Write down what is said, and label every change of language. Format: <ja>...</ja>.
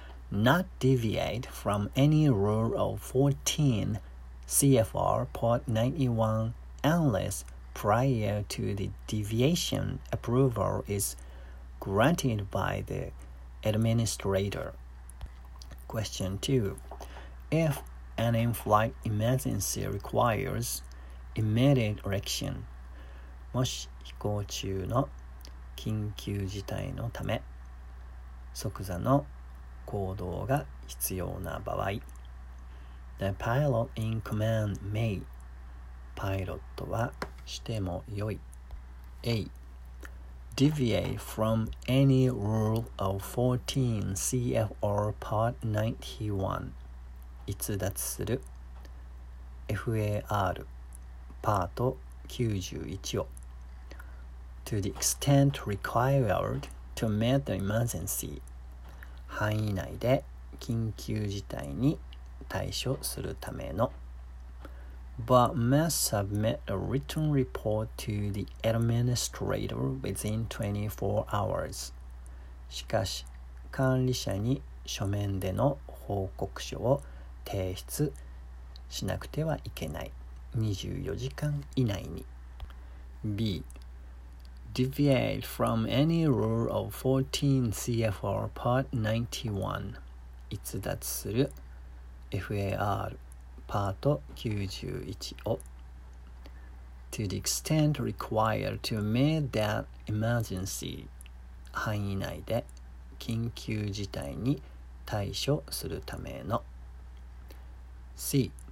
<en>Not deviate from any rule of 14 CFR Part 91 unless prior to the deviation approval is granted by the administrator. Question 2. If an in-flight emergency requires immediate action,</en> <ja>もし飛行中の緊急事態のため即座の行動が必要な場合、</ja> <en>The pilot in command may、</en> <ja>パイロットはしてもよい。</ja> <en>A. Deviate from any rule of 14 CFR Part 91.</en> <ja>逸脱する</ja> <en>FAR Part 91を To the extent required to meet the emergency.</en> <ja>範囲内で緊急事態に対処するための。</ja> <en>But must submit a written report to the administrator within 24 hours.</en> <ja>しかし、管理者に書面での報告書を提出しなくてはいけない。 24時間以内に。B.</ja> <en>Deviate from any rule of 14 CFR Part 91.</en> <ja>逸脱する</ja> <en>FARPart 91を To the extent required to meet that emergency</en> <ja>範囲内で緊急事態に対処するための</ja> <en>C.</en>